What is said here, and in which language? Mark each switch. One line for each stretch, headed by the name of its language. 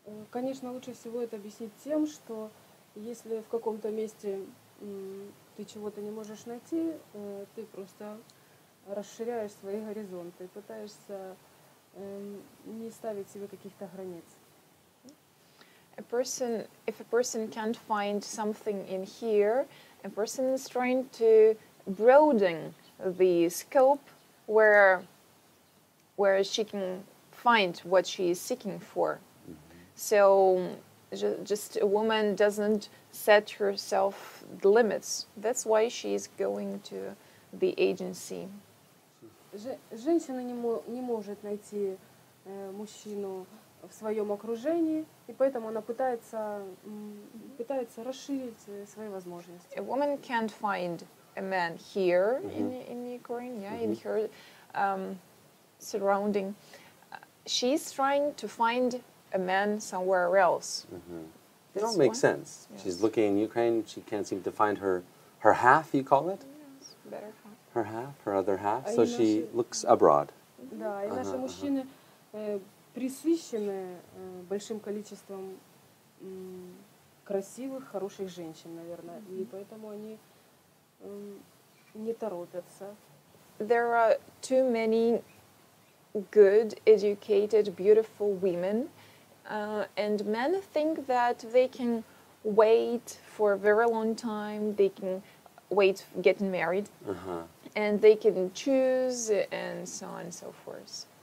Russian: Конечно, лучше всего это объяснить тем, что если в каком-то месте ты чего-то не можешь найти, ты просто расширяешь свои горизонты, пытаешься не ставить себе каких-то границ.
English: If a person can't find something in here, a person is trying to broaden the scope where she can find what she is seeking for. So just a woman doesn't set herself the limits. That's why she is going to the agency.
Russian: Женщина не может найти мужчину в своем окружении, и поэтому она пытается расширить свои возможности.
English: A woman can't find a man here in Ukraine, in her surrounding. She's trying to find a man somewhere else. Mm-hmm. That makes sense. Yes. She's looking in Ukraine, she can't seem to find her half, you call it? Yes, better half. Her half, her other half, so she looks abroad.
Russian: Да, и наши мужчины пресыщены большим количеством красивых, хороших женщин, наверное, и поэтому они не торопятся.
English: There are too many good, educated, beautiful women, and men think that they can wait for a very long time, they can wait getting married, and they can choose, and so on and so forth.